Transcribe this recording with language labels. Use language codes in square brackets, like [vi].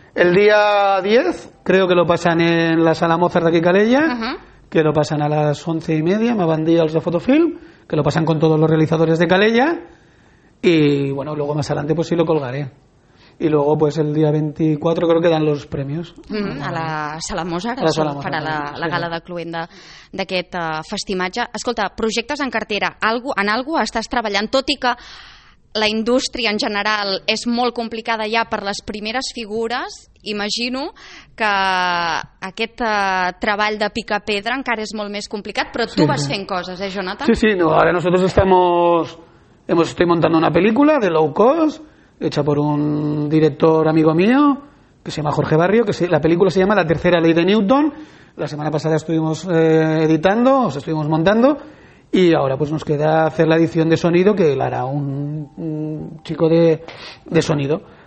[es] El día 10 creo que lo pasan en la sala Mozart de aquí, Calella, que lo pasan a las 11:30, [ca] me van dir els de Fotofilm, [es] que lo pasan con todos los realizadores de Calella. Y bueno, luego más adelante pues sí lo colgaré. Y luego pues el día 24 creo que dan los premios. [ca] A la Sala Mozart, per a la gala de Cluenda d'aquest festimatge. Escolta, projectes en cartera, en algo estàs treballant, tot i que la indústria en general és molt complicada ja per les primeres figures, imagino que aquest treball de picapedra encara és molt més complicat, però tu vas fent coses, Jonathan? [es] Sí, sí, ara nosotros estamos... Estoy montando una película de low cost, hecha por un director amigo mío, que se llama Jorge Barrio, la película se llama La tercera ley de Newton. La semana pasada estuvimos editando, o sea, estuvimos montando, y ahora pues nos queda hacer la edición de sonido, que la hará un chico de sonido.